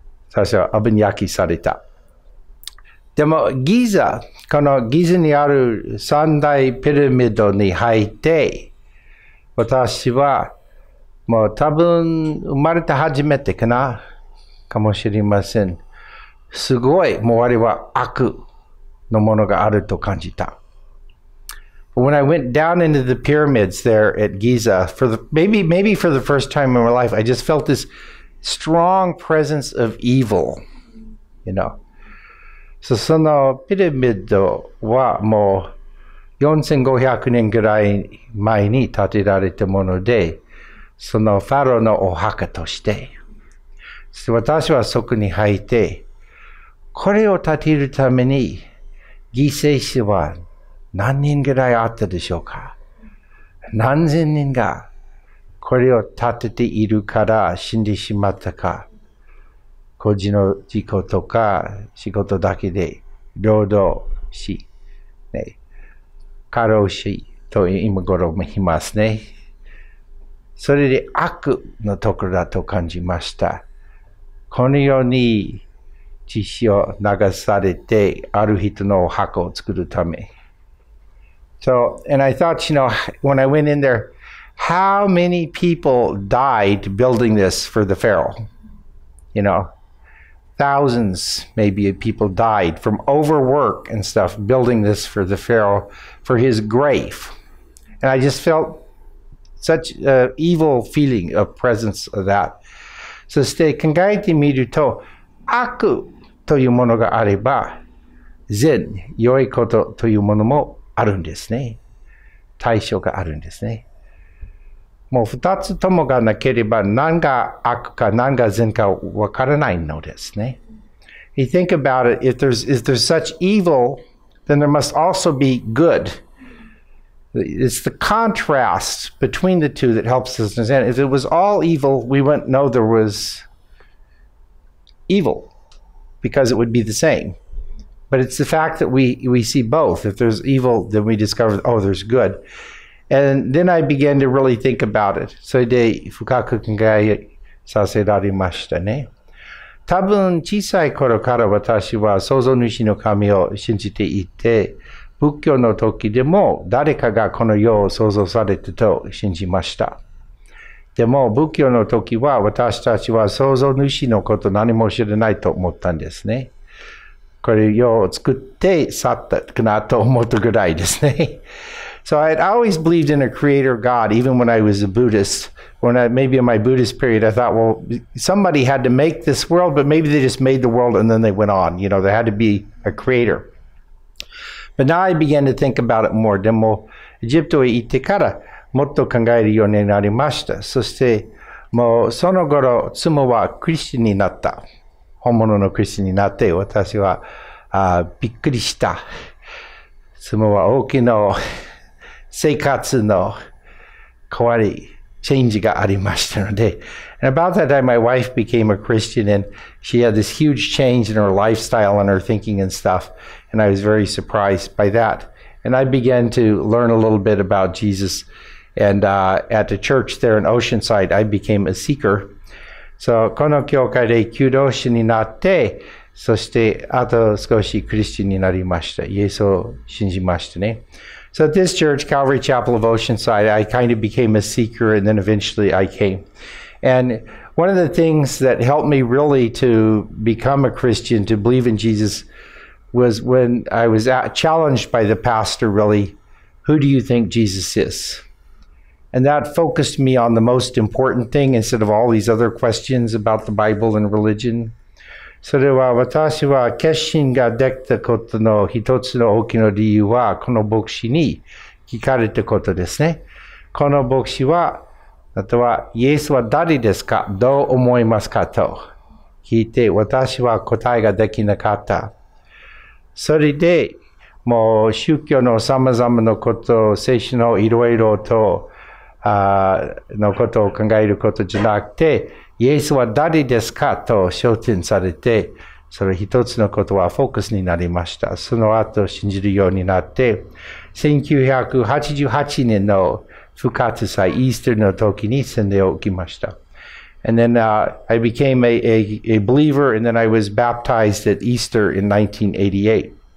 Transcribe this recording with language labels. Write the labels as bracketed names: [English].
[Japanese] そうそう、オーブン焼きされた。でもギザ、このギザにある三大ピラミッドに入って、私はもう多分生まれて初めてかな、かもしれません。すごい、もうあれは悪のものがあると感じた。 [English] When I went down into the pyramids there at Giza, for the first time in my life, I just felt this strong presence of evil, you know. [Japanese] So, そのピラミッドはもう4500年ぐらい前に建てられたもので、そのファロのお墓として。そして私はそこに入って、これを建てるために犠牲者は何人ぐらいあったでしょうか。何千人がこれを建てているから死んでしまったか。個人の事故とか仕事だけで労働し、ね、過労死、と今頃もいますね。それで悪のところだと感じました。この世に血潮を流されてある人のお墓を作るため。 [English] So, and I thought, you know, when I went in there, how many people died building this for the Pharaoh? You know, thousands maybe of people died from overwork and stuff building this for the Pharaoh, for his grave. And I just felt such an evil feeling of presence of that. [Japanese] そして考えてみると、悪というものがあれば善、良いことというものもあるんですね。対象があるんですね。もう二つともがなければ何が悪か何が善かわからないのですね。 [English] You think about it, if there's such evil, then there must also be good. It's the contrast between the two that helps us understand. If it was all evil, we wouldn't know there was evil, because it would be the same. But it's the fact that we see both. If there's evil, then we discover, oh, there's good. And then I began to really think about it. [Japanese] それで深く考えさせられましたね。多分小さい頃から私は創造主の神を信じていて、仏教の時でも誰かがこの世を創造されたと信じました。でも仏教の時は私たちは創造主のこと何も知らないと思ったんですね。これ世を作って去ったかなと思ったぐらいですね。 [English] So I had always believed in a creator God, even when I was a Buddhist. Maybe in my Buddhist period, I thought, well, somebody had to make this world, but maybe they just made the world and then they went on. You know, there had to be a creator. But now I began to think about it more. [Japanese] でも、エジプトへ行ってからもっと考えるようになりました。そして、もうその頃、妻はクリスチャンになった。本物のクリスチャンになって、私はびっくりした。妻は大きな生活の壊れ、チェンジがありましたので。 [English] And about that time, my wife became a Christian, and she had this huge change in her lifestyle and her thinking and stuff. And I was very surprised by that. And I began to learn a little bit about Jesus. And at the church there in Oceanside, I became a seeker. [Japanese] So, この教会で求道者になって、そしてあと少しクリスチャンになりました。イエスを信じましたね。 [English] So at this church, Calvary Chapel of Oceanside, I kind of became a seeker, and then eventually I came. And one of the things that helped me really to become a Christian, to believe in Jesus, was when I was challenged by the pastor, really, who do you think Jesus is? And that focused me on the most important thing instead of all these other questions about the Bible and religion. [Japanese] それは私は決心ができたことの一つの大きな理由はこの牧師に聞かれたことですね。この牧師は、あとはイエスは誰ですか？どう思いますかと聞いて、私は答えができなかった。それで、もう宗教の様々なこと、聖書のいろいろと、のことを考えることじゃなくて、イエスは誰ですかと焦点されて、それ一つのことはフォーカスになりました。その後信じるようになって、1988年の復活祭、イースターの時に洗礼を受けました。 [English] And then I became a believer, and then I was baptized at Easter in 1988.